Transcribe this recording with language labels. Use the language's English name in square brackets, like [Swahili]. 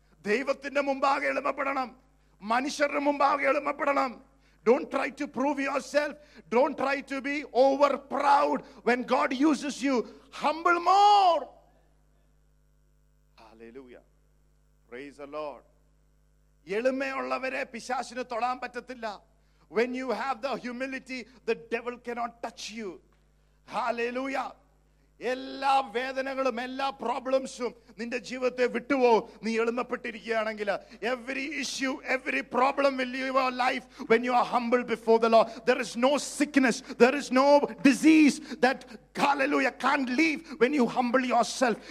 [Malayalam] ദൈവത്തിന്റെ മുമ്പാകെ എളിമപ്പെടണം. മനുഷ്യരുടെ മുമ്പാകെ എളിമപ്പെടണം. [English] Don't try to prove yourself. Don't try to be over proud. When God uses you, humble more. Hallelujah. Praise the Lord. [Malayalam] എളിമയുള്ളവരെ പിശാചിന് തൊടാൻ പറ്റത്തില്ല. [English] When you have the humility, the devil cannot touch you. Hallelujah. [Malayalam] എല്ലാ വേദനകളും എല്ലാ പ്രോബ്ലംസും നിന്റെ ജീവിതത്തെ വിട്ടുപോകും. നീ എളുമപ്പെട്ടിരിക്കുകയാണെങ്കിൽ [English] Every issue every problem will your life when you are humble before the lord. There is no sickness, there is no disease that hallelujah can't leave when you humble yourself.